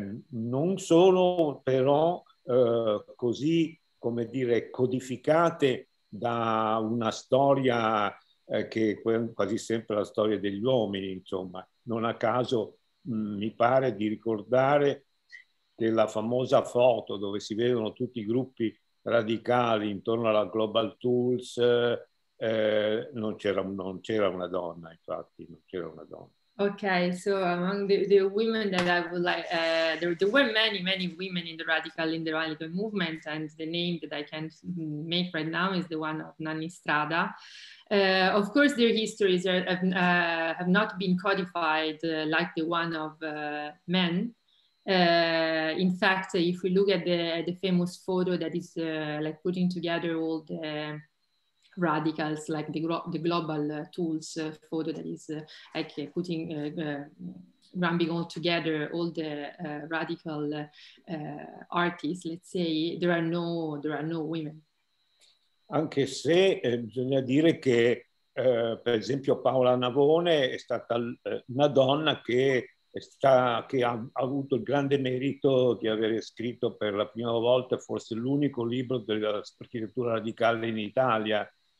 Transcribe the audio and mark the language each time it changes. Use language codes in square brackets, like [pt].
[it] non sono però così, come dire, codificate da una storia che è quasi sempre la storia degli uomini, insomma. Non a caso mi pare di ricordare che la famosa foto dove si vedono tutti i gruppi radicali intorno alla Global Tools, non c'era una donna, infatti, non c'era una donna. [en] Okay, so among the women that I would like, there were many women in the radical movement, and the name that I can't make right now is the one of Nanni Strada. Of course, their histories have not been codified like the one of men. In fact, if we look at the famous photo that is like putting together all the radicals, like the global tools photo that is like putting grabbing all together all the radical artists, let's say, there are no women. [it] Anche se bisogna dire che per esempio Paola Navone è stata una donna che ha avuto il grande merito di aver scritto per la prima volta forse l'unico libro dell'architettura radicale in Italia.